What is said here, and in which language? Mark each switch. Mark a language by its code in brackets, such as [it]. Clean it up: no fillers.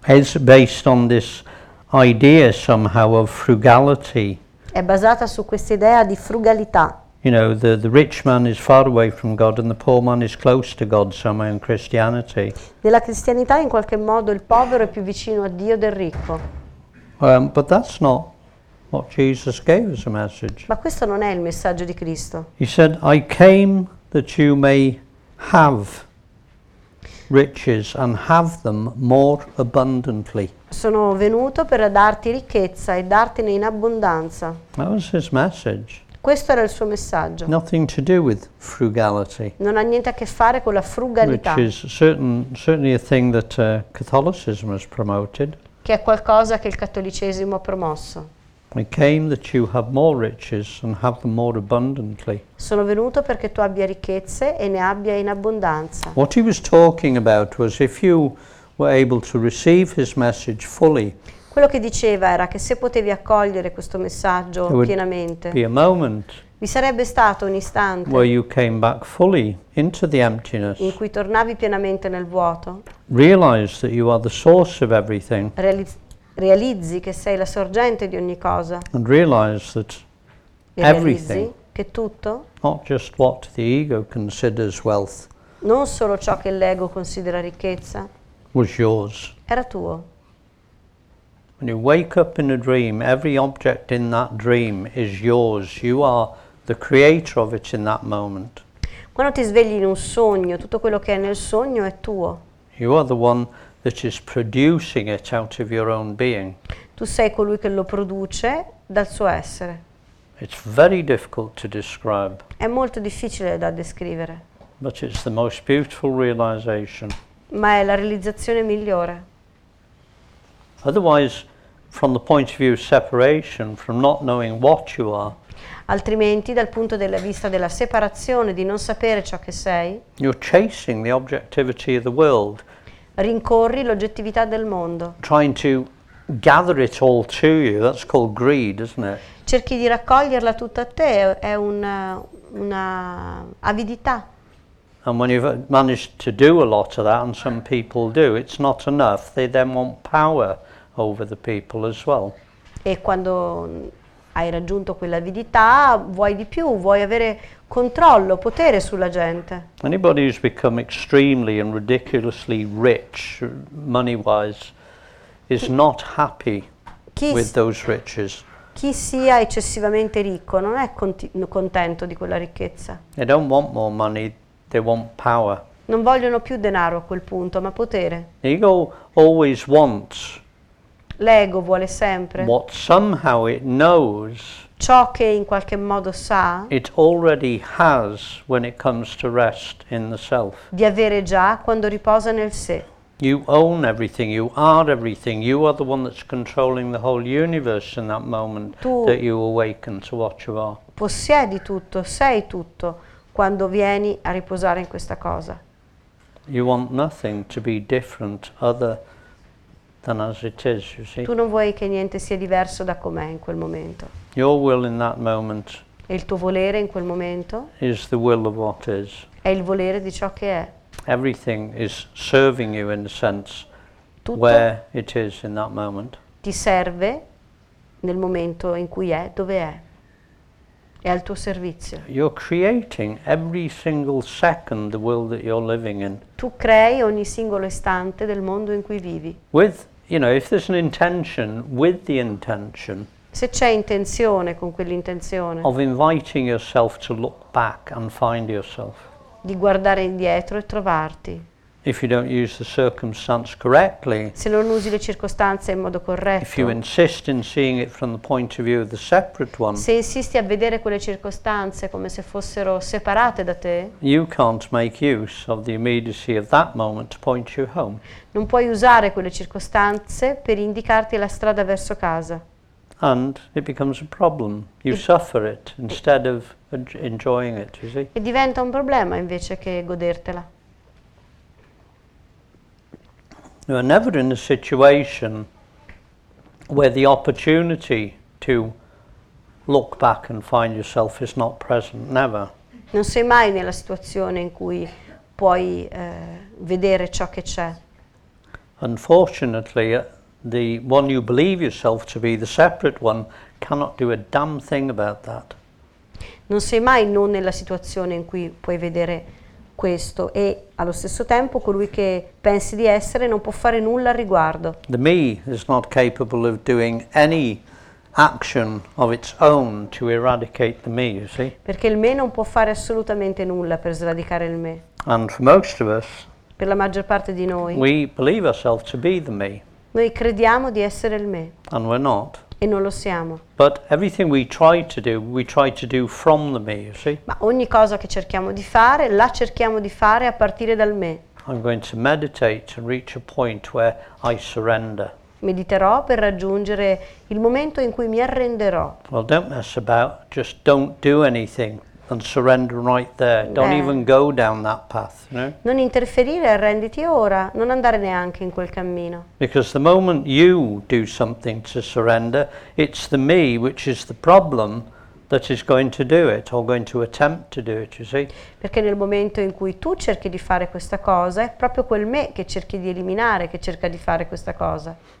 [en] Is based on this idea somehow of frugality. [it] È basata su questa idea di frugalità. [en] You know, the rich man is far away from God and the poor man is close to God somehow in Christianity. [it] Nella cristianità in qualche modo il povero è più vicino a Dio del ricco. [en] But that's not what Jesus gave as a message. [it] Ma questo non è il messaggio di Cristo. [en] He said, "I came that you may have riches and have them more abundantly." [it] Sono venuto per darti ricchezza e dartene in abbondanza. [en] That was his message. [it] Questo era il suo messaggio. [en] Nothing to do with frugality. [it] Non ha niente a che fare con la frugalità. [en] Which is certainly a thing that Catholicism has promoted. [it] Che è qualcosa che il cattolicesimo ha promosso. [en] It came that you have more riches and have them more abundantly. [it] Sono venuto perché tu abbia ricchezze e ne abbia in abbondanza. [en] What he was talking about was if you were able to receive his message fully. [it] Quello che diceva era che se potevi accogliere questo messaggio pienamente, [en] be a moment [it] vi sarebbe stato un istante [en] where you came back fully into the emptiness, [it] in cui tornavi pienamente nel vuoto, [en] realize that you are the source of everything, [it] realizzi che sei la sorgente di ogni cosa, [en] and realize that everything, [it] che tutto, [en] not just what the ego considers wealth, [it] non solo ciò che l'ego considera ricchezza, [en] was yours, [it] era tuo. [en] When you wake up in a dream, every object in that dream is yours. You are the creator of it in that moment. [it] Quando ti svegli in un sogno, tutto quello che è nel sogno è tuo. [en] You are the one that is producing it out of your own being. [it] Tu sei colui che lo produce dal suo essere. [en] It's very difficult to describe. [it] È molto difficile da descrivere. [en] But it's the most beautiful realization. [it] Ma è la realizzazione migliore. [en] Otherwise, from the point of view of separation, from not knowing what you are, [it] altrimenti dal punto della vista della separazione, di non sapere ciò che sei, [en] you're chasing the objectivity of the world. [it] Rincorri l'oggettività del mondo. [en] Trying to gather it all to you, that's called greed, isn't it? [it] Cerchi di raccoglierla tutta a te, è una avidità. [en] And when you've managed to do a lot of that, and some people do, it's not enough. They then want power over the people as well. [it] E quando hai raggiunto quell'avidità, vuoi di più, vuoi avere controllo, potere sulla gente. [en] Anybody who's become extremely and ridiculously rich, money-wise, is not happy with those riches. [it] Chi sia eccessivamente ricco non è contento di quella ricchezza. [en] They don't want more money. They want power. [it] Non vogliono più denaro a quel punto, ma potere. [en] Ego always wants. [it] L'ego vuole sempre. [en] What somehow it knows. [it] Ciò che in qualche modo sa. [en] It already has when it comes to rest in the self. [it] Di avere già quando riposa nel sé. [en] You own everything, you are everything, you are the one that's controlling the whole universe in that moment that you awaken to what you are. [it] Possiedi tutto, sei tutto. Quando vieni a riposare in questa cosa. [en] You want nothing to be different other than as it is, you see. [it] Tu non vuoi che niente sia diverso da com'è in quel momento. [en] Your will in that moment. [it] E il tuo volere in quel momento. [en] Is the will of what is. [it] È il volere di ciò che è. [en] Everything is serving you in a sense. [it] Tutto [en] where it is in that moment. [it] Ti serve nel momento in cui è, dove è. È al tuo servizio. [en] You're creating every single second the world that you're living in. [it] Tu crei ogni singolo istante del mondo in cui vivi. [en] With, you know, if there's an intention, with the intention. [it] Se c'è intenzione con quell'intenzione. [en] Of inviting yourself to look back and find yourself. [it] Di guardare indietro e trovarti. [en] If you don't use the circumstance correctly. [it] Se non usi le circostanze in modo corretto. [en] If you insist in seeing it from the point of view of the separate one. [it] Se insisti a vedere quelle circostanze come se fossero separate da te. [en] You can't make use of the immediacy of that moment to point you home. [it] Non puoi usare quelle circostanze per indicarti la strada verso casa. [en] And it becomes a problem. You suffer it instead of enjoying it, you see. [it] E diventa un problema invece che godertela. [en] You are never in a situation where the opportunity to look back and find yourself is not present, never. [it] Non sei mai nella situazione in cui puoi vedere ciò che c'è. [en] Unfortunately, the one you believe yourself to be, the separate one, cannot do a damn thing about that. [it] Non sei mai non nella situazione in cui puoi vedere questo e allo stesso tempo colui che pensi di essere non può fare nulla al riguardo. [en] The me is not capable of doing any action of its own to eradicate the me, you see? [it] Perché il me non può fare assolutamente nulla per sradicare il me. [en] And for most of us, [it] per la maggior parte di noi, [en] we believe ourselves to be the me. [it] Noi crediamo di essere il me. [en] And we're not. [it] E E non lo siamo. [en] But everything we try to do from the me, you see? [it] Ma ogni cosa che cerchiamo di fare, la cerchiamo di fare a partire dal me. [en] I'm going to meditate and reach a point where I surrender. [it] Mediterò per raggiungere il momento in cui mi arrenderò. [en] Well, don't mess about, just don't do anything and surrender right there. Don't even go down that path, you know? [it] Non interferire, arrenditi ora, non andare neanche in quel cammino. [en] Because the moment you do something to surrender, it's the me which is the problem that is going to do it or going to attempt to do it, you see? [it] Perché nel momento in cui tu cerchi di fare questa cosa, è proprio quel me che cerchi di eliminare, che cerca di fare questa cosa.